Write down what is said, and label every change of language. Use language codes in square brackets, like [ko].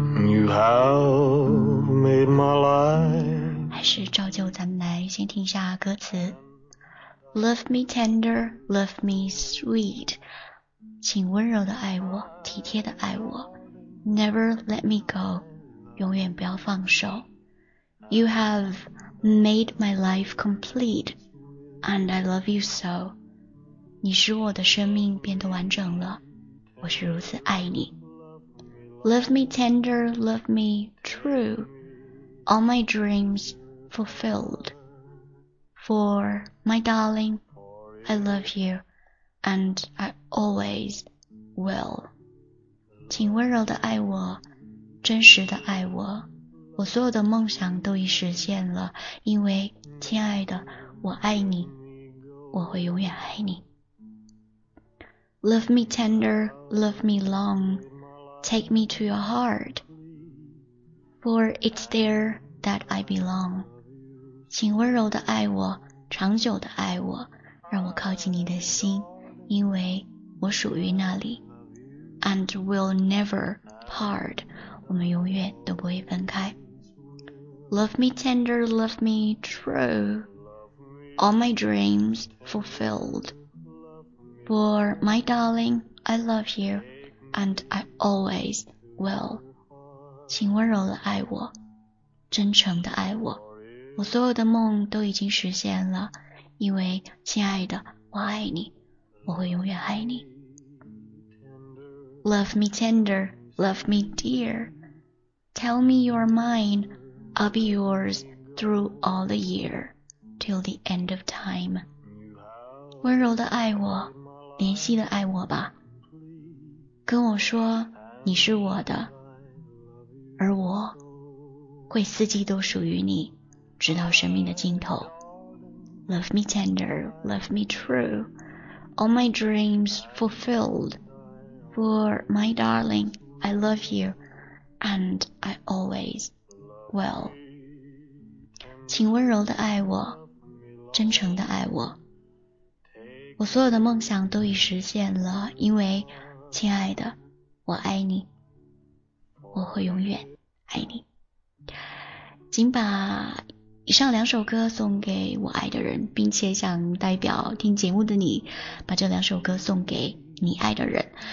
[en] You have made my life. [zh] 还是照旧，咱们来先听一下歌词。 [en] Love me tender, love me sweet. [zh] 请温柔的爱我，体贴的爱我。 [en] Never let me go. [zh] 永远不要放手。 [en] You have made my life complete, and I love you so. [zh] 你使我的生命变得完整了，我是如此爱你。 [en] Love me tender, love me true. All my dreams fulfilled. For my darling, I love you, and I always will. [zh] 请温柔的爱我，真实的爱我，我所有的梦想都已实现了，因为亲爱的，我爱你，我会永远爱你。 [en] Love me tender, love me long, take me to your heart, for it's there that I belong. [zh] 请温柔的爱我。长久的爱我，让我靠近你的心，因为我属于那里。 [en] And we'll never part, [zh] 我们永远都不会分开。 [en] Love me tender, love me true, all my dreams fulfilled. For my darling, I love you, and I always will. [zh] 请温柔的爱我，真诚的爱我。我所有的梦都已经实现了，因为亲爱的，我爱你，我会永远爱你。 [en] Love me tender, love me dear. Tell me you're mine, I'll be yours through all the year, till the end of time. [zh] 温柔的爱我，怜惜的爱我吧。跟我说你是我的，而我会四季都属于你。直到生命的尽头。 [en] Love me tender, love me true, all my dreams fulfilled. For my darling, I love you, and I always will. [zh] 请温柔的爱我，真诚的爱我。我所有的梦想都已实现了，因为，亲爱的，我爱你，我会永远爱你。请把以上两首歌送给我爱的人，并且想代表听节目的你，把这两首歌送给你爱的人。